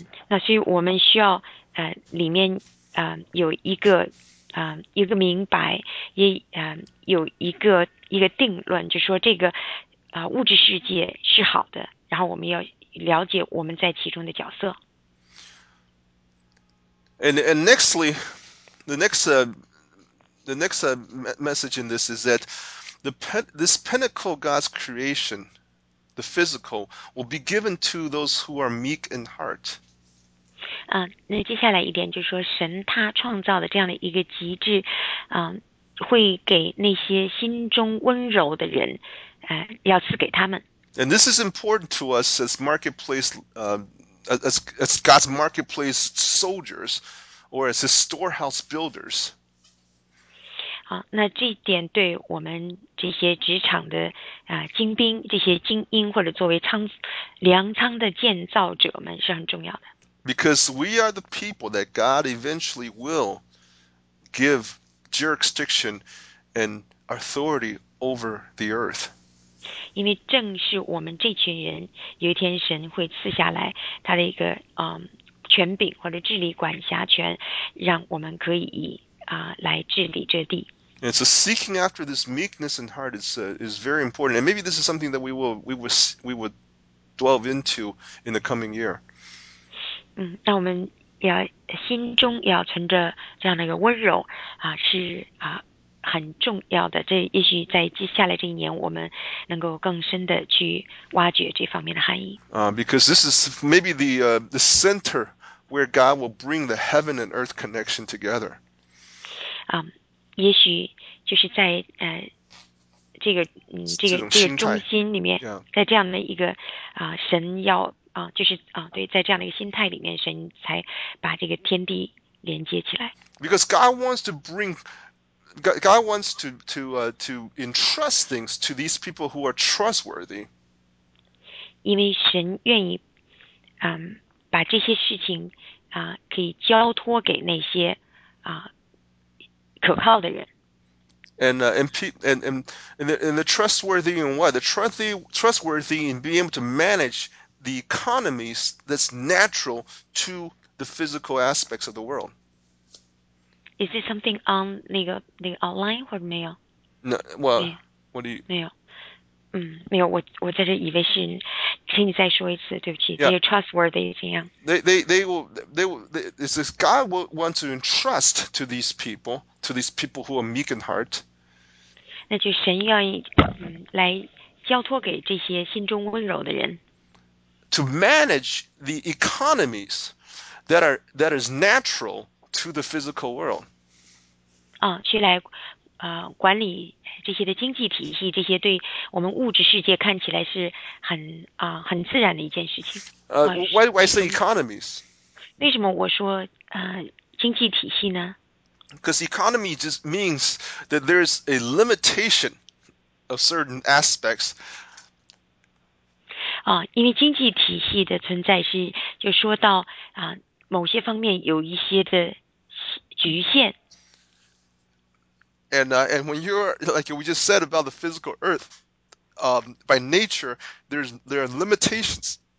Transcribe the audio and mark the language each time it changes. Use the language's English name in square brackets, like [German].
[Chinese] 那所以我们需要里面有一个一个明白，也有一个定论，就说这个物质世界是好的，然后我们要了解我们在其中的角色。 [English] And nextly, the next message in this is that this pinnacle God's creation, the physical, will be given to those who are meek in heart. [Chinese] 那接下来一点就是说，神他创造的这样的一个极致，会给那些心中温柔的人，要赐给他们。 [English] And this is important to us as marketplace, as God's marketplace soldiers, or as His storehouse builders. [Chinese] 那这一点对我们这些职场的精兵，这些精英或者作为粮仓的建造者们是很重要的。 [English] Because we are the people that God eventually will give jurisdiction and authority over the earth. [Chinese] 因为正是我们这群人，有一天神会赐下来他的一个权柄或者治理管辖权，让我们可以来治理这地。 [English] And so seeking after this meekness in heart is very important. And maybe this is something that we will dwell into in the coming year. [Chinese] 那我们要心中要存着这样的一个温柔是很重要的，这也许在接下来这一年我们能够更深的去挖掘这方面的含义。 [English] Because this is maybe the center where God will bring the heaven and earth connection together. [Chinese] 也许就是在这个中心里面，在这样的一个神要就是对，在这样的一个心态里面，神才把这个天地连接起来。 [English] Because God wants to bring, God wants to entrust things to these people who are trustworthy. [Chinese] 因为神愿意把这些事情可以交托给那些可靠的人。 [English] And the trustworthy in what? The trustworthy in being able to manage the economies that's natural to the physical aspects of the world. Is this something on [Chinese] 那个 [English] outline [Chinese] 或者没有？那我 [English] what do you [Chinese] 没有？没有，我在这以为是，请你再说一次，对不起。这个 trustworthy 怎样？ [English] They will this God will want to entrust to these people, to these people who are meek in heart. [Chinese] 那就神愿意来交托给这些心中温柔的人。 [English] To manage the economies that is natural to the physical world. [Chinese] 去来管理这些的经济体系，这些对我们物质世界看起来是很自然的一件事情。 [English] Why say economies? [Chinese] 为什么我说经济体系呢？ [English] Because economy just means that there is a limitation of certain aspects. [Chinese] 因为经济体系的存在是就说到某些方面有一些的局限。 [English] And when you're like we just said about the physical earth, by nature there are limitations.